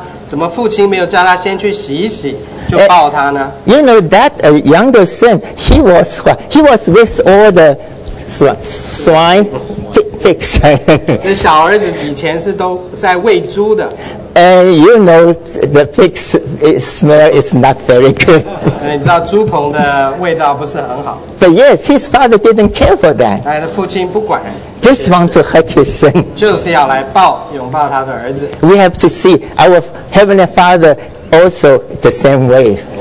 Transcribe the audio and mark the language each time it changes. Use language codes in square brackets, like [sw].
[zh] 我们在想说这个小儿子一定是很肮脏，怎么父亲没有叫他先去洗一洗？就抱他呢? [en] You know that younger son, he was with all the swine pigs. [zh] 这小儿子以前是都在喂猪的。 [en] And you know the pigs smell is not very good. [zh] 你知道猪棚的味道不是很好。 [en] But yes, his father didn't care for that. [zh] 他的父亲不管。 [en] Just want to hug his son. [zh] 就是要来抱拥抱他的儿子。 [en] We have to see our heavenly father also the same way.